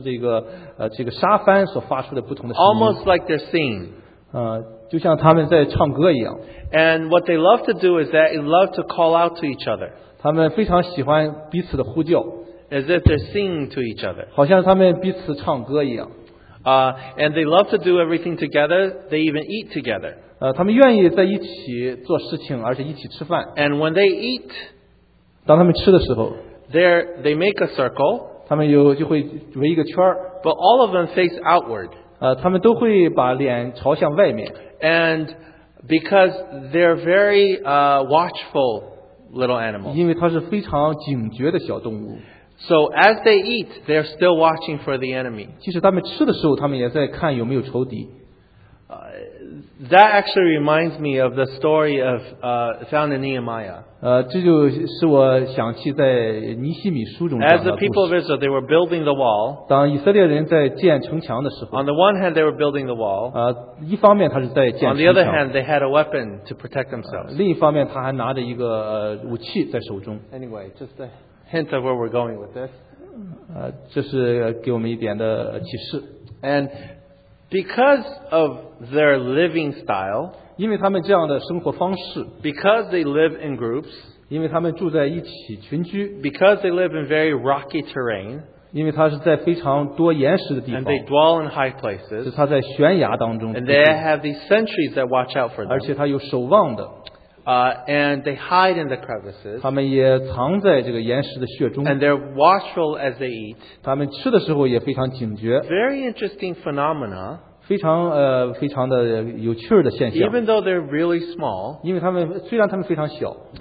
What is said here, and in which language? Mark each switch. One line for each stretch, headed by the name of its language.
Chinese: 这非常的，因为非常特别，所以很多科学家呢就叫这些呢是这个沙帆所发出的不同的声音。
English: Almost like they're singing.
Chinese: 就像他们在唱歌一样。
English: And what they love to do is that they love to call out to each other.
Chinese: 他们非常喜欢彼此的呼叫。
English: As if they're singing to each other.
Chinese: 好像他们彼此唱歌一样。
English: And they love to do everything together. They even eat together.
Chinese: 他们愿意在一起做事情，而且一起吃饭。
English: And when they eat,
Chinese: 当他们吃的时候,
English: they make a circle.
Chinese: 他们就会围一个圈儿。
English: But all of them face outward.
Chinese: 他们都会把脸朝向外面。
English: And because they're very watchful little animals.
Chinese: 因为它是非常警觉的小动物。
English: So as they eat, they're still watching for the enemy.
Chinese: 其实他们吃的时候，他们也在看有没有仇敌。
English: That actually reminds me of the story of found in Nehemiah.
Chinese: 这就使我想起在尼希米书中讲的故事。
English: As the people of Israel, they were building the wall.
Chinese: 当以色列人在建城墙的时候。
English: On the one hand, they were building the wall.
Chinese: 一方面他是在建城墙。
English: On the other hand, they had a weapon to protect themselves.
Chinese: 另一方面他还拿着一个武器在手中。
English: Anyway, just a hint of where we're going with this.
Chinese: 这是给我们一点的启示。
English: And because of their living style,
Chinese: 因为他们这样的生活方式,
English: because they live in groups,
Chinese: 因为他们住在一起群居,
English: because they live in very rocky terrain,
Chinese: 因为他是在非常多岩石的地方,
English: and they dwell in high places,
Chinese: 是他在悬崖当中,
English: and they have these sentries that watch out for them,
Chinese: 而且他有守望的,
English: and they hide in the crevices,
Chinese: 他们也藏在这个岩石的穴中,
English: and they're watchful as they eat,
Chinese: 他们吃的时候也非常警觉,
English: very interesting phenomena,
Chinese: 非常有趣的现象,
English: even though they're really small,
Chinese: 因为他们虽然他们非常小,